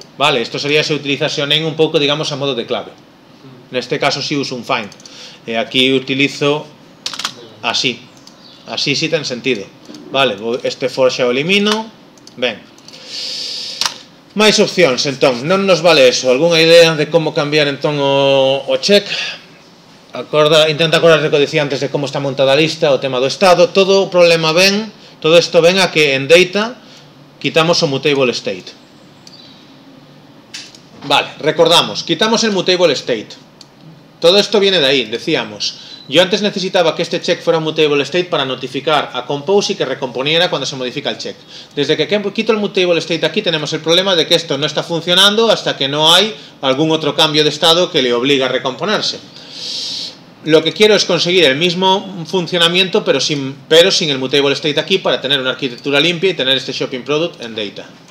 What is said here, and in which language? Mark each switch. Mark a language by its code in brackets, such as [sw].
[gl] Vale, isto sería se utilizase o name un pouco, digamos, a modo de clave. Neste caso si uso un find. E aquí utilizo así. Así si ten sentido. Vale, este for xa o elimino. Ben. Máis opcións, entón, non nos vale eso. Alguna idea de como cambiar entón o check? Acorda, intenta acordar de que dicía antes de como está montada a lista, o tema do estado. Todo o problema ven, todo isto ven a que en data quitamos o mutable state. Vale, recordamos, quitamos el mutable state. Todo isto viene de aí, decíamos. [es] Yo antes necesitaba que este check fuera un mutable state para notificar a Compose y que recomponiera cuando se modifica el check. Desde que quito el mutable state aquí tenemos el problema de que esto no está funcionando hasta que no hay algún otro cambio de estado que le obligue a recomponerse. Lo que quiero es conseguir el mismo funcionamiento pero sin el mutable state aquí para tener una arquitectura limpia y tener este shopping product en data.